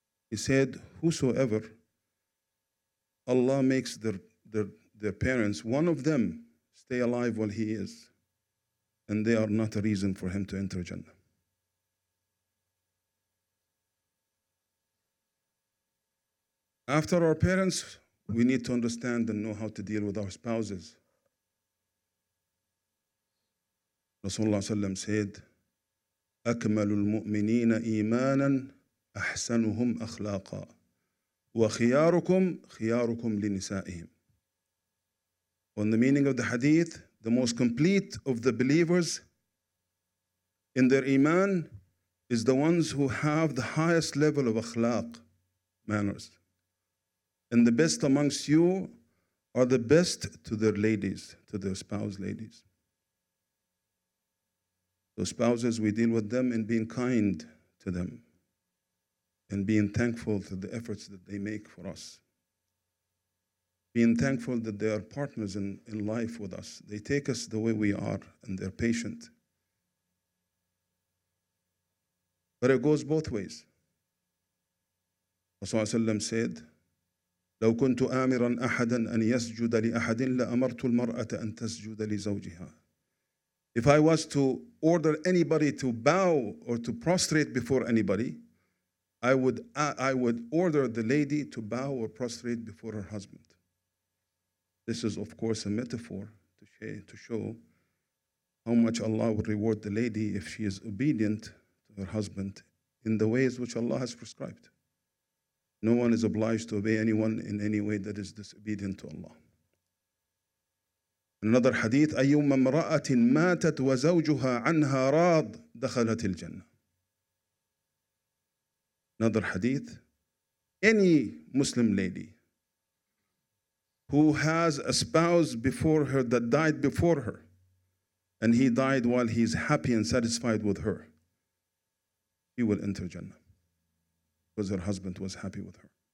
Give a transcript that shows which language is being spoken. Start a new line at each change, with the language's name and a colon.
English: He said, whosoever Allah makes their parents, one of them, stay alive while he is, and they are not a reason for him to enter Jannah. After our parents, we need to understand and know how to deal with our spouses. Rasulullah sallam said,
Arabic: أَكْمَلُ الْمُؤْمِنِينَ إِيمَانًا أَحْسَنُهُمْ أَخْلَاقًا وخياركم خياركم لنسائهم.
English: On the meaning of the hadith, the most complete of the believers in their iman is the ones who have the highest level of akhlaq, manners. And the best amongst you are the best to their ladies, to their spouse ladies. Those spouses, we deal with them in being kind to them and being thankful to the efforts that they make for us. Being thankful that they are partners in life with us. They take us the way we are and they're patient. But it goes both ways. Rasulullah sallam said,
Arabic: لو كنت آمرا أحدا أن يسجد لأحد لأمرت المرأة أن تسجد لزوجها.
English: If I was to order anybody to bow or to prostrate before anybody, I would order the lady to bow or prostrate before her husband. This is, of course, a metaphor to show how much Allah would reward the lady if she is obedient to her husband in the ways which Allah has prescribed. No one is obliged to obey anyone in any way that is disobedient to Allah. Another hadith,
Arabic: أيما امرأة ماتت وزوجها عنها راض دخلت الجنة.
English: Another hadith, any Muslim lady who has a spouse before her that died before her, and he died while he's happy and satisfied with her, he will enter Jannah because her husband was happy with her.